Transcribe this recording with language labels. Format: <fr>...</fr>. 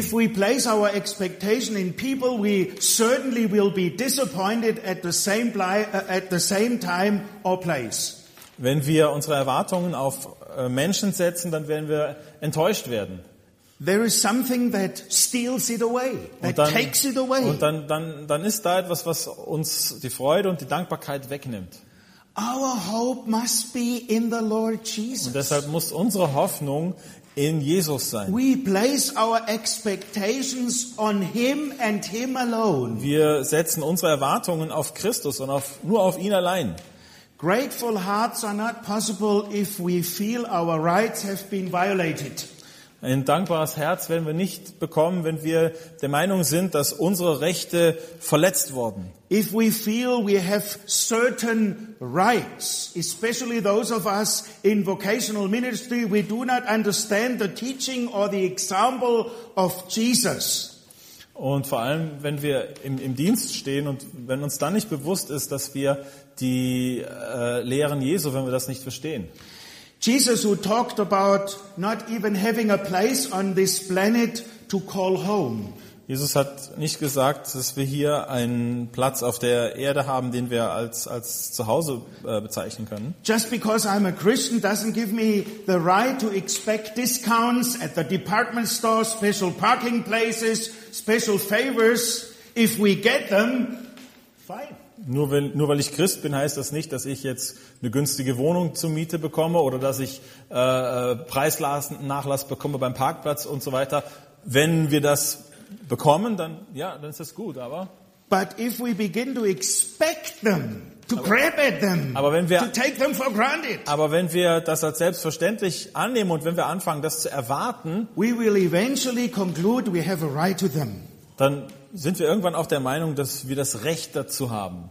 <en>If we place our expectation in people, we certainly will be disappointed at the same time or place.</en> <de>Wenn wir unsere Erwartungen auf Menschen setzen, dann werden wir enttäuscht werden.</de> <en>There is something that steals it away, takes it away.</en> <de>Und dann ist da etwas, was uns die Freude und die Dankbarkeit wegnimmt.</de> <en>Our hope must be in the Lord Jesus.</en> <de>Und deshalb muss unsere Hoffnung in Jesus sein.</de> <en>We place our expectations on Him and Him alone.</en> <de>Wir setzen unsere Erwartungen auf Christus und nur auf ihn allein.</de> <en>Grateful hearts are not possible if we feel our rights have been violated.</en> <de>Ein dankbares Herz werden wir nicht bekommen, wenn wir der Meinung sind, dass unsere Rechte verletzt wurden.</de> <en>If we feel we have certain rights, especially those of us in vocational ministry, we do not understand the teaching or the example of Jesus.</en> <de>Und vor allem, wenn wir im Dienst stehen und wenn uns dann nicht bewusst ist, dass wir die Lehren Jesu, wenn wir das nicht verstehen.</de> <en>Jesus, who talked about not even having a place on this planet to call home.</en> <de>Jesus hat nicht gesagt, dass wir hier einen Platz auf der Erde haben, den wir als Zuhause bezeichnen können.</de> <en>Just because I'm a Christian doesn't give me the right to expect discounts at the department store, special parking places, special favors. If we get them, fine.</en> <de>Nur weil ich Christ bin, heißt das nicht, dass ich jetzt eine günstige Wohnung zur Miete bekomme oder dass ich Preisnachlass bekomme beim Parkplatz und so weiter. Wenn wir das bekommen, dann ist das gut, aber.</de> <en>But if we begin to expect them, to grab at them, to take them for granted.</en> <de>Aber wenn wir das als selbstverständlich annehmen und wenn wir anfangen, das zu erwarten,</de> <en>we will eventually conclude we have a right to them.</en> <de>Dann sind wir irgendwann auch der Meinung, dass wir das Recht dazu haben?</de>